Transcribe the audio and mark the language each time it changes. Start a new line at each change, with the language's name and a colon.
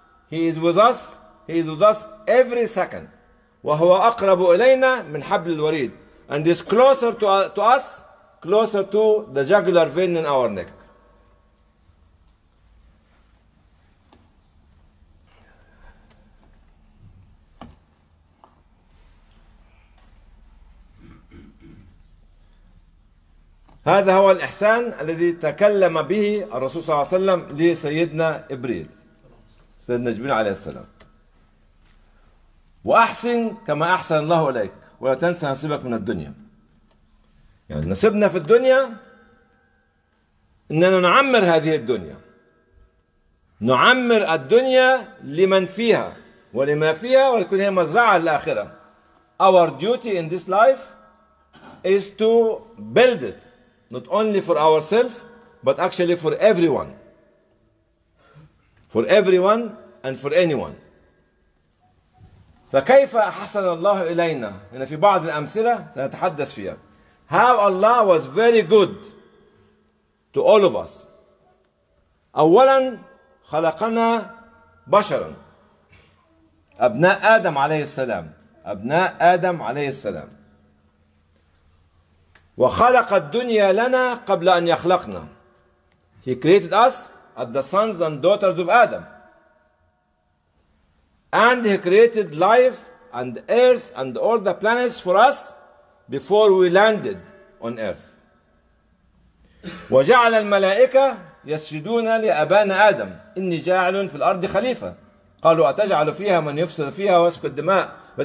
English: He is with us every second.
Arabic: وهو أقرب إلينا من حبل الوريد.
English: And is closer to us, closer to the jugular vein in our neck.
Arabic: هذا هو الإحسان الذي تكلم به الرسول صلى الله عليه وسلم لسيدنا إبريل، سيدنا جبريل عليه السلام. وأحسن كما أحسن الله إليك ولا تنسى نصيبك من الدنيا. يعني نصيبنا في الدنيا أننا نعمر هذه الدنيا، نعمر الدنيا لمن فيها ولما فيها، ولكن هي مزرعة للآخرة.
English: Our duty in this life is to build it, not only for ourselves, but actually for everyone. For everyone and for anyone.
Arabic: فكيف أحسن الله إلينا؟ هنا في بعض الأمثلة سنتحدث فيها.
English: How Allah was very good to all of us.
Arabic: أولا خلقنا بشرا. أبناء آدم عليه السلام. أبناء آدم عليه السلام. وخلق الدنيا لنا قبل أن يخلقنا.
English: He created us as the sons and daughters of Adam. And he created life and earth and all the planets for us before we landed on earth.
Arabic: وجعل الملائكة يسجدون لأبانا آدم. إني جاعل في الأرض خليفة. قالوا أتجعل فيها من يفسد فيها ويسفك الدماء.